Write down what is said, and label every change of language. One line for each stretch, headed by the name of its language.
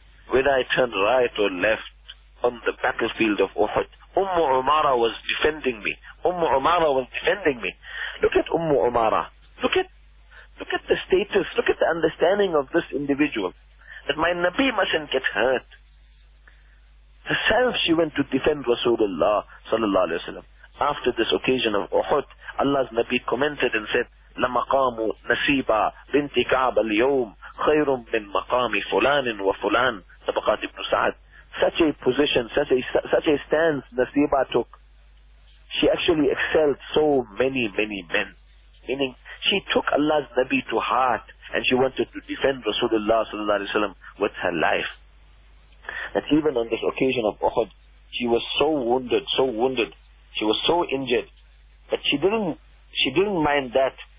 English: When I turned right or left on the battlefield of Uhud, Ummu Umara was defending me. Ummu Umara was defending me. Look at Ummu Umara. Look at the status, look at the understanding of this individual, that my Nabi mustn't get hurt. Herself, she went to defend Rasulullah sallallahu alayhi wa sallam. After this occasion of Uhud, Allah's Nabi commented and said,
Arabic: لَمَقَامُ نَسِيبَ بِنْتِ كَعْبَ الْيَوْمِ خَيْرٌ مِّن مَقَامِ فُلَانٍ وَفُلَانٍ طَبَقَاتِ ابْنُ سَعَدٍ.
English: Such a position, such a stance Nasiba took. She actually excelled so many, many men. Meaning, she took Allah's Nabi to heart, and she wanted to defend Rasulullah sallallahu alaihi wasallam with her life. That even on this occasion of Uhud, she was so wounded, she was so injured, but she didn't mind that.